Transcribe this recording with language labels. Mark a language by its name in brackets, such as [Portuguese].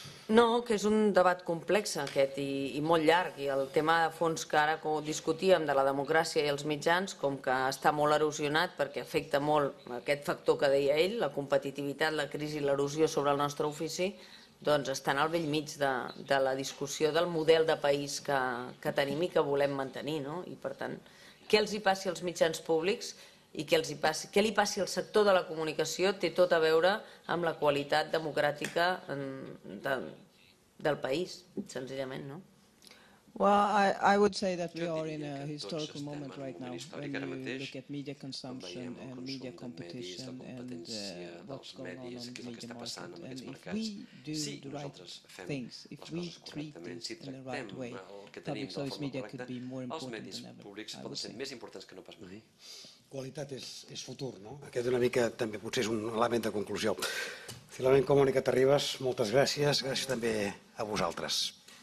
[Catalan] No, que és un debat complex aquest i molt llarg, i el tema de fons que ara discutíem de la democràcia i els mitjans, com que està molt erosionat perquè afecta molt aquest factor que deia ell, la competitivitat, la crisi i l'erosió sobre el nostre ofici, doncs estan al vell mig de la discussió del model de país que tenim i que volem mantenir, no? I per tant, què els hi passi als mitjans públics i què li passi al sector de la comunicació té tot a veure amb la qualitat democràtica del país, senzillament, no? [English] Well, I would say that we are in a historical moment right now when you look at media consumption and media competition and what's going on the media market. And if we do the right things, if we treat this in the right way, public service media could be more important than ever. [Catalan] Públics poden ser més importants que no pas mai. Qualitat és futur, no? Aquest una mica també potser és un element de conclusió. Finalment, Mònica Terribas, moltes gràcies. Gràcies també a vosaltres.